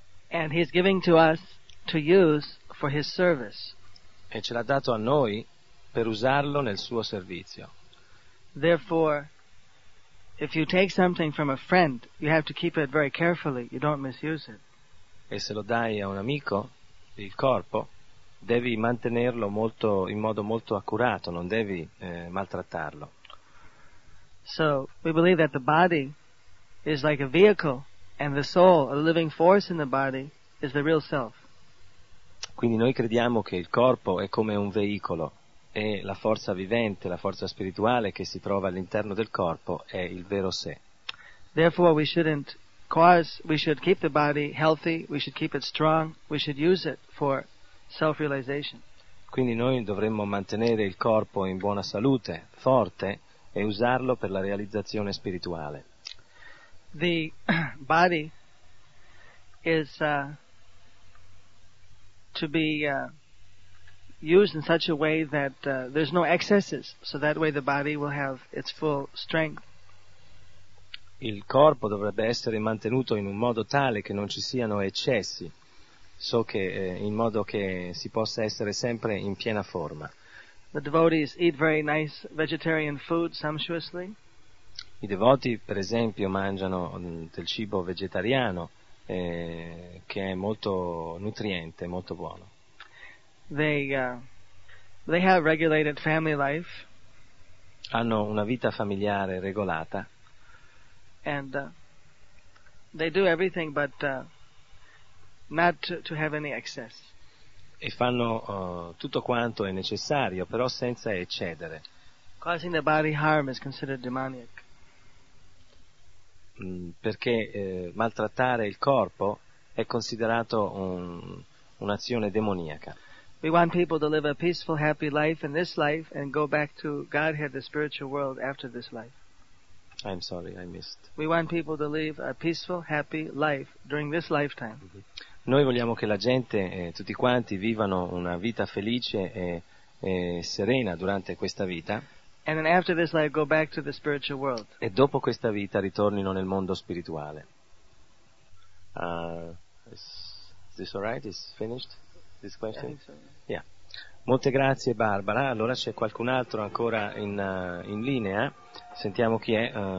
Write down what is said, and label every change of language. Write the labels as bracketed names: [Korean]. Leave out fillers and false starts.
[English] And he is giving to us to use for his service. [Italian] E ce l'ha dato a noi per usarlo nel suo servizio. [English] Therefore, if you take something from a friend, you have to keep it very carefully, you don't misuse it. [Italian] E se lo dai a un amico, il corpo, devi mantenerlo molto, in modo molto accurato, non devi maltrattarlo. [English] So, we believe that the body is like a vehicle, and the soul, a living force in the body, is the real self. [Italian] Quindi noi crediamo che il corpo è come un veicolo. E la forza vivente, la forza spirituale che si trova all'interno del corpo è il vero sé. [English] Therefore we shouldn't cause, we should keep the body healthy, we should keep it strong, we should use it for self-realization. [Italian] Quindi noi dovremmo mantenere il corpo in buona salute, forte, e usarlo per la realizzazione spirituale. [English] The body is to be used in such a way that there's no excesses, so that way the body will have its full strength. [Italian] Il corpo dovrebbe essere mantenuto in un modo tale che non ci siano eccessi, so che in modo che si possa essere sempre in piena forma. [English] The devotees eat very nice vegetarian food sumptuously. [Italian] I devoti, per esempio, mangiano del cibo vegetariano che è molto nutriente, molto buono. [English] They have regulated family life. [Italian] Hanno una vita familiare regolata. [English] And they do everything but not to have any excess. [Italian] E fanno tutto quanto è necessario, però senza eccedere. [English] Causing the body harm is considered demonic. [Italian] Perché maltrattare il corpo è considerato un'azione demoniaca. [English] We want people to live a peaceful, happy life in this life and go back to Godhead, the spiritual world, after this life. I'm sorry, I missed. We want people to live a peaceful, happy life during this lifetime. Mm-hmm. [Italian] Noi vogliamo che la gente, tutti quanti, vivano una vita felice e serena durante questa vita. [English] And then after this life go back to the spiritual world. [Italian] E dopo questa vita ritornino nel mondo spirituale. [English] Is this all right? Is finished? This question? Yeah, I think so. Yeah. [Italian] Molte grazie Barbara. Allora c'è qualcun altro ancora in linea. Sentiamo chi è.